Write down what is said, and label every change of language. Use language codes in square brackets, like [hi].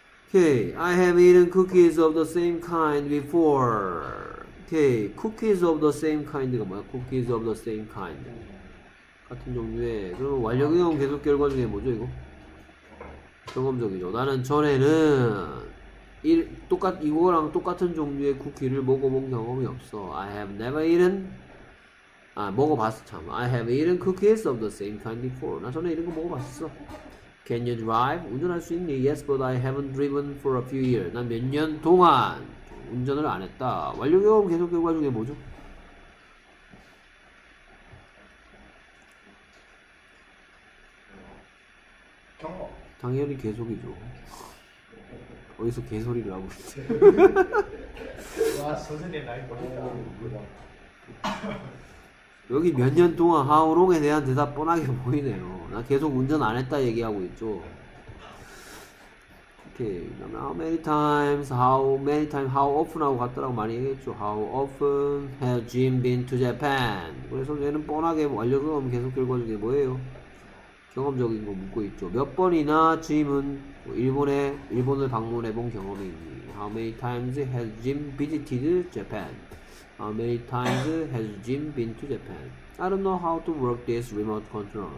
[en] Okay, I have eaten cookies of the same kind before. Okay, cookies of the same kind가 뭐야? Cookies of the same kind. [ko] 같은 종류의. 그럼 완료경영 계속 결과 중에 뭐죠, 이거? 경험적이죠. 나는 전에는 이거랑 똑같은 종류의 쿠키를 먹어본 경험이 없어. [en] I have never eaten. [ko] 아, 먹어봤어, 참. [en] I have eaten cookies of the same kind before. [ko] 나 전에 이런 거 먹어봤어. [en] Can you drive? [ko] 운전할 수 있니? [en] Yes, but I haven't driven for a few years. [ko] 난몇년 동안 운전을 안 했다. 완료 경험 계속 결과 중에 뭐죠? 당연히 계속이죠. 어디서 개소리를 하고 있어. 와, 선생님 나이 보니까. 여기 몇년 동안 how long에 대한 대답 뻔하게 보이네요. 나 계속 운전 안 했다 얘기하고 있죠. [en] 오케이. How many times, how many times, how often [ko] 하고 갔더라고 많이 얘기했죠. [en] How often has Jim been to Japan? [ko] 그래서 얘는 뻔하게 완료경험 계속 결과 중에 뭐예요? 경험적인 거 묻고 있죠. 몇 번이나 짐은 일본을 방문해 본 경험이 있니? [en] How many times has Jim visited Japan? How many times has Jim been to Japan? I don't know how to work this remote control.